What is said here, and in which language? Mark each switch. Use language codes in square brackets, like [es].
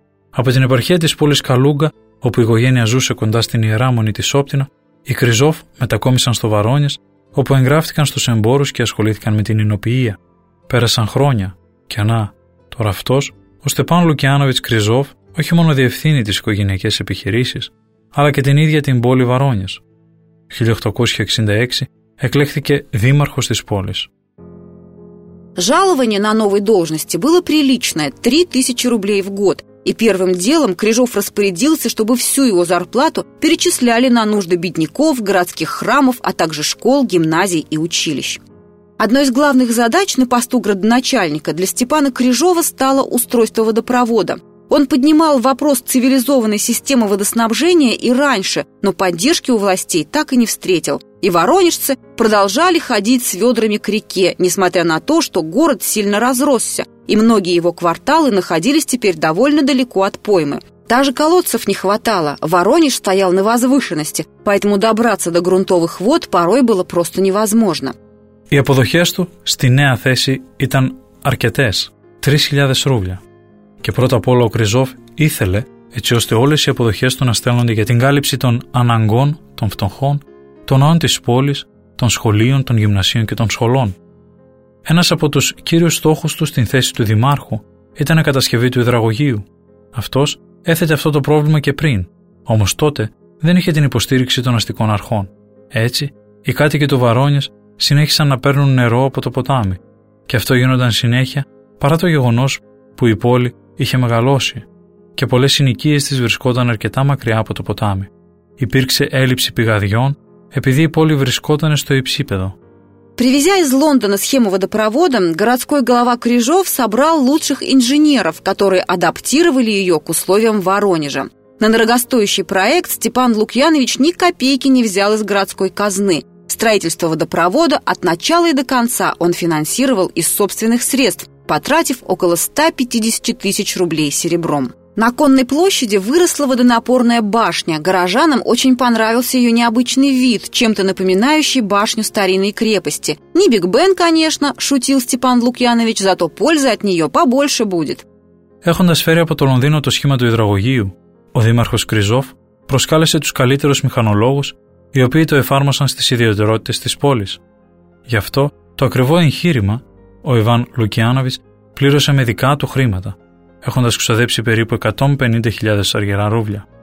[el] Από την επαρχία της πόλης Καλούγκα, όπου η οικογένεια ζούσε κοντά στην Ιερά Μονή της Όπτινα, οι Κριζόφ μετακόμισαν στο Βαρόνιες, όπου εγγράφτηκαν στους εμπόρους και ασχολήθηκαν με την εινοποιία. Πέρασαν χρόνια, και να, τώρα αυτός, ο Στεπάν Λουκιάνοβιτς Κριζόφ, όχι μόνο διευθύνει τις οικογενειακές επιχειρήσεις, αλλά και την ίδια την πόλη Βαρόνιες. 1866 εκλέχθηκε δήμαρχος της πόλης. [ru] Жалование на новой должности было приличное – 3000 рублей в год. И первым делом Крыжов распорядился, чтобы всю его зарплату перечисляли на нужды бедняков, городских храмов, а также школ, гимназий и училищ. Одной из главных задач на посту градоначальника для Степана Крыжова стало устройство водопровода. Он поднимал вопрос цивилизованной системы водоснабжения и раньше, но поддержки у властей так и не встретил. И воронежцы продолжали ходить с ведрами к реке, несмотря на то, что город сильно разросся, и многие его кварталы находились теперь довольно далеко от поймы. Даже колодцев не хватало, Воронеж стоял на возвышенности, поэтому добраться до грунтовых вод порой было просто невозможно. [el] Οι αποδοχές του στη νέα θέση ήταν αρκετές, 3.000 ρούβλια. Και πρώτα απ' όλα ο Κριζόφ ήθελε έτσι ώστε όλες οι αποδοχές του να στέλνονται για την κάλυψη των αναγκών των φτωχών, των νοών της πόλης, των σχολείων, των γυμνασίων και των σχολών. Ένας από τους κύριους στόχους του στην θέση του Δημάρχου ήταν η κατασκευή του υδραγωγείου. Αυτός έθετε αυτό το πρόβλημα και πριν, όμως τότε δεν είχε την υποστήριξη των αστικών αρχών. Έτσι, οι κάτοικοι του Βαρόνιας συνέχισαν να παίρνουν νερό από το ποτάμι και αυτό γίνονταν συνέχεια παρά το γεγονός που η πόλη είχε μεγαλώσει και πολλές συνοικίες της βρισκόταν αρκετά μακριά από το ποτάμι. Υπήρξε έλλειψη πηγαδιών επειδή η πόλη βρισκόταν στο υψίπεδο. [ru] Привезя из Лондона схему водопровода, городской глава Крижов собрал лучших инженеров, которые адаптировали ее к условиям Воронежа. На дорогостоящий проект Степан Лукьянович ни копейки не взял из городской казны. Строительство водопровода от начала и до конца он финансировал из собственных средств, потратив около 150 тысяч рублей серебром. На Конной площади выросла водонапорная башня. Горожанам очень понравился ее необычный вид, чем-то напоминающий башню старинной крепости. Не Биг Бен, конечно, шутил Степан Лукьянович, зато пользы от нее побольше будет. [el] Έχοντας φέρει από το Λονδίνο το σχήμα του υδραγωγείου, ο δήμαρχος Κριζόφ προσκάλεσε τους καλύτερους μηχανολόγους, οι οποίοι το εφάρμοσαν στις ιδιαιτερότητες της πόλης. Γι' αυτό το ακριβό εγχείρημα, ο Ιβάν Λουκιάνοβιτς πλήρωσε με δικά του χρήματα, έχοντας ξοδέψει περίπου 150.000 αργυρά ρούβλια.